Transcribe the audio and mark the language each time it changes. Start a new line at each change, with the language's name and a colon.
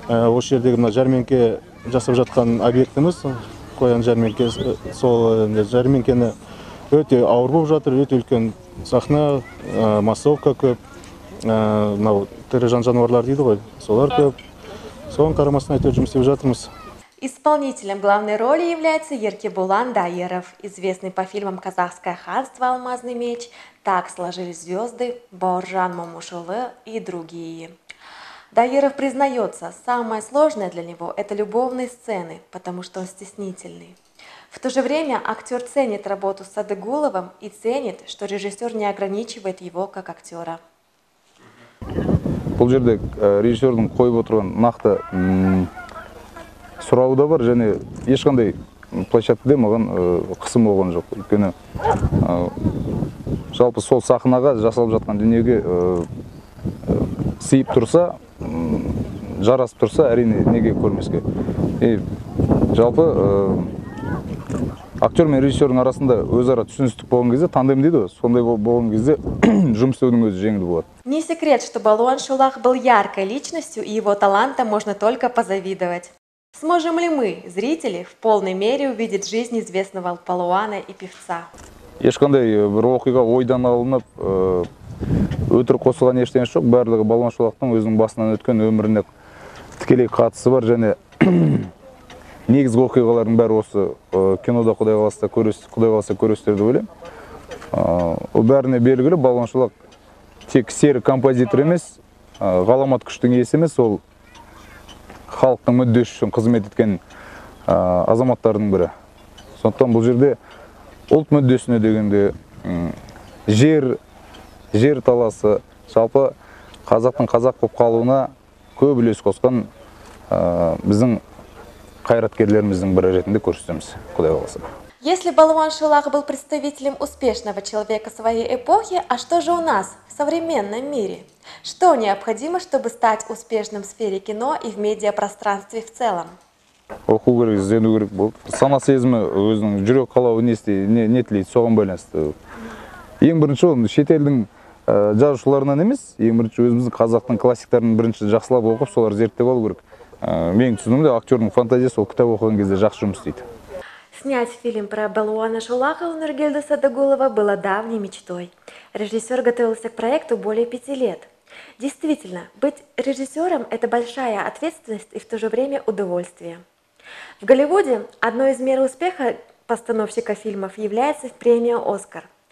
Kazakh: Осы жердегі мына жәрмеңке жасап жатқан объектіміз Қоян жәрмеңкесі, сол енді жәрмеңкені өте ауыр болып жатыр, өте үлкен сахна, массовка көп, мынау тірі жан жануарлар дейді ғой, солар көп. Соған қарамастан әйтеуір жұмыс істеп жатырмыз.
Russian: Исполнителем главной роли является Еркебулан Дайыров, известный по фильмам «Казахское ханство», «Алмазный меч», «Так сложились звезды», «Бауыржан Момышұлы» и другие. Дайыров признается, самое сложное для него – это любовные сцены, потому что он стеснительный. В то же время актер ценит работу с Садыгуловым и ценит, что режиссер не ограничивает его как актера.
Kazakh: Бұл жерде режиссердің қойып отырған нақты сұрауы да бар, және ешқандай площадкада маған қысым болған жоқ. Өйткені жалпы сол сахнаға жасалып жатқан дүниеге сыйып тұрса, жарасып тұрса, әрине неге көрмеске. И жалпы актер мен режиссердің арасында өзара түсіністік болған кезде, тандем дейді ғой, сондай болған кезде жұмыс істеудің өзі жеңіл болады.
Russian: Не секрет, что Балуан Шолақ был яркой личностью, и его таланта можно только позавидовать. Сможем ли мы, зрители, в полной мере увидеть жизнь известного Балуана и певца?
Kazakh: Ешқандай бір оқиға ойдан алынып, өтірік қосылған ештеңе жоқ, барлығы Балуан Шолақтың өзінің басынан өткен өміріне тікелей қатысы бар, және негізгі оқиғалардың бәрі осы кинода Құдай қаласа көресіздер деп ойлаймын. Ол бәріне белгілі, Балуан Шолақ тек серік композитор емес, ғаламат күштің иесі емес, ол халықтың мүддесі үшін қызмет еткен азаматтардың бірі. Сондықтан бұл жерде ұлт мүддесіне дегенде жер таласы, жалпы қазақтың қазақ болып қалуына көп үлес қосқан біздің қайраткерлеріміздің бірі ретінде көрсетеміз, Құдай қаласа.
Russian: Если Балуан Шолақ был представителем успешного человека своей эпохи, а что же у нас в современном мире? Что необходимо, чтобы стать успешным в сфере кино и в медиапространстве в целом?
Kazakh: Оқу керек, іздену керек болды. Сана сезімі өзінің жүрек қалауы не істейді, не тілейді, соған байланысты. Ең бірінші ол шетелдің жазушыларынан емес, ең бірінші өзіміздің қазақтың классиктарын бірінші жақсылап оқып, соларды зерттеп алу керек. менің түсінімді актерінің фантазиясы ол кітап оқыған кезде жақсы жұмыс істейді.
Russian: Снять фильм про Балуана Шолахова Нургельда Садыгулова было давней мечтой. Режиссер готовился к проекту более 5 лет. Действительно, быть режиссером – это большая ответственность и в то же время удовольствие. В Голливуде одной из мер успеха постановщика фильмов является премия «Оскар».